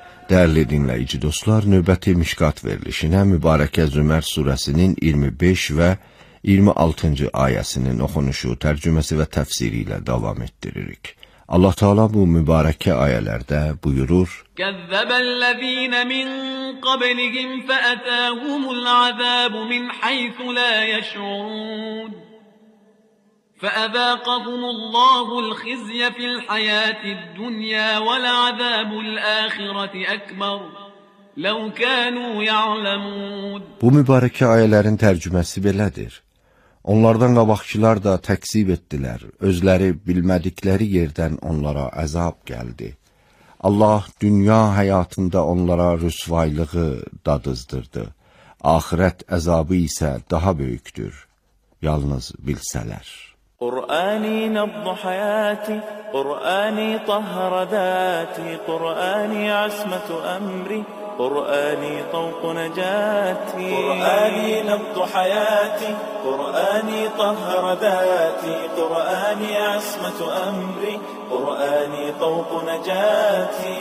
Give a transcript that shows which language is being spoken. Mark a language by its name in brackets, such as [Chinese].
[Azerbaijani] Değerli dinleyici dostlar, növbəti Mişkat verilişinə Mübarəkə Zümər surəsinin 25 və 26-cı ayəsinin oxunuşu, tərcüməsi və təfsiri ilə davam etdiririk. Allah Teala bu mübarəkə ayələrdə buyurur: [Arabic] "Kəzzəbəlləzînə min qəbəlihim fəətəhumul azəbu min həyfü lə yəşğun فأذاقهم الله الخزي في الحياة الدنيا والعذاب الآخرة أكبر لو كانوا يعلمون. [Azerbaijani] Bu mübarəkə ayələrin tərcüməsi belədir. Onlardan qabaqçılar da təkzib etdilər. Özləri bilmədikləri yerdən onlara əzab gəldi. Allah dünya həyatında onlara rüsvaylığı dadızdırdı. ahirət əzabı isə daha böyükdür, yalnız bilsələr. [Arabic] قرآني نبض حياتي قرآني طهر ذاتي قرآني عصمة أمري قرآني طوق نجاتي قرآني نبض حياتي قرآني طهر ذاتي قرآني عصمة أمري قرآني طوق نجاتي